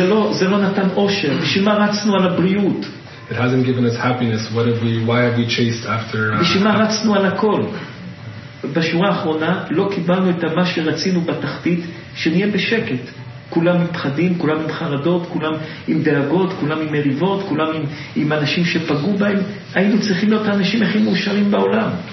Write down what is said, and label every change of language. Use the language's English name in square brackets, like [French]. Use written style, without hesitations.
[Hebrew] זה לא נתן אושר, בשביל מה רצנו על הבריאות? [English] It hasn't given us happiness. What have we? Why have we chased after? [Hebrew] בשביל מה רצנו על הכל? בשורה האחרונה לא קיבלנו את מה שרצינו בתחתית, שנהיה בשקט. כולם מפחדים, כולם עם חרדות, כולם עם דאגות, כולם עם מריבות, כולם עם אנשים שפגעו בהם. היינו צריכים להיות האנשים הכי מאושרים בעולם.